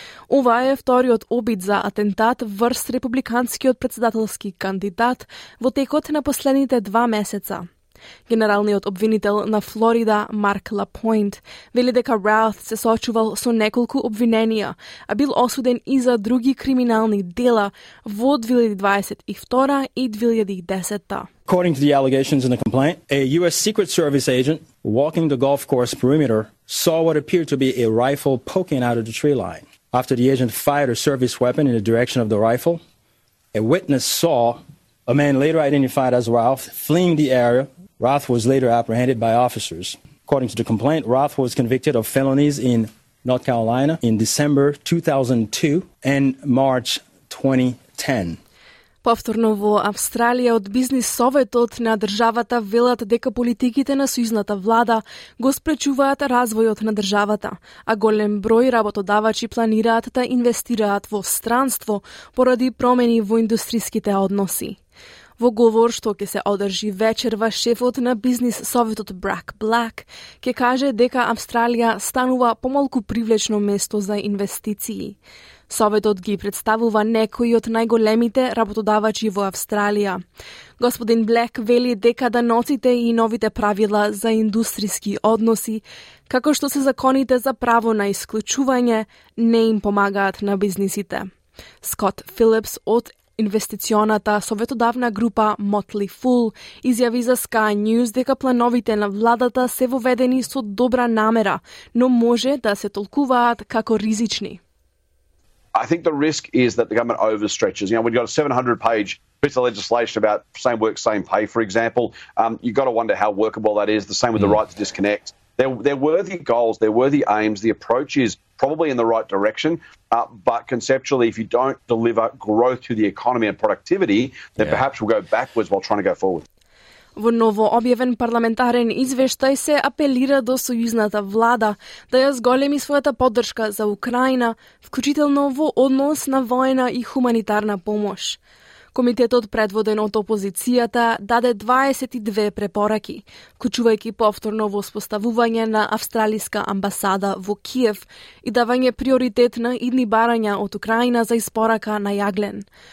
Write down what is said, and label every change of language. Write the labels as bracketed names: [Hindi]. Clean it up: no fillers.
[Macedonian] Ова е вториот обид за атентат врз републиканскиот председателски кандидат во текот на последните два месеца. Генералниот обвинител на Флорида, Марк Лапойнт, вели дека Рауф се соочувал со неколку обвиненија, а бил осуден и за други криминални дела во 2022 и 2010. [English] According to the allegations in the complaint, a US Secret Service agent walking the golf course perimeter saw what appeared to be a rifle poking out of the tree line. After the agent fired a service weapon in the direction of the rifle, a witness saw a man later identified as Rauf fleeing the area. Rauf was later apprehended by officers. According to the complaint, Rauf was convicted of felonies in North Carolina in December 2002 and March 2010. [Macedonian] Повторно во Австралија од бизнис советот на државата велат дека политиките на сојузната влада го спречуваат развојот на државата, а голем број работодавачи планираат да инвестираат во странство поради промени во индустриските односи. Во говор што ќе се одржи вечерва, шефот на бизнис советот Брак Блак ќе каже дека Австралија станува помалку привлечно место за инвестиции. Советот ги представува некои од најголемите работодавачи во Австралија. Господин Блек вели дека даноците и новите правила за индустријски односи, како што се законите за право на исклучување, не им помагаат на бизнисите. Скот Филипс од инвестиционата советодавна група Motley Fool изјави за Sky News дека плановите на владата се воведени со добра намера, но може да се толкуваат како ризични. [English] I think the risk is that the government overstretches. You know, when you've got a 700-page piece of legislation about same work, same pay, for example, you've got to wonder how workable that is. The same with the right to disconnect. They're worthy goals. They're worthy aims. The approach is probably in the right direction. But conceptually, if you don't deliver growth to the economy and productivity, then perhaps we'll go backwards while trying to go forward. [Macedonian] Во ново објавен парламентарен извештај се апелира до сојузната влада да ја зголеми својата поддршка за Украина, вклучително во однос на војна и хуманитарна помош. Комитетот, предводен од опозицијата, даде 22 препораки, вклучувајќи повторно воспоставување на австралиска амбасада во Киев и давање приоритет на идни барања од Украина за испорака на јаглен.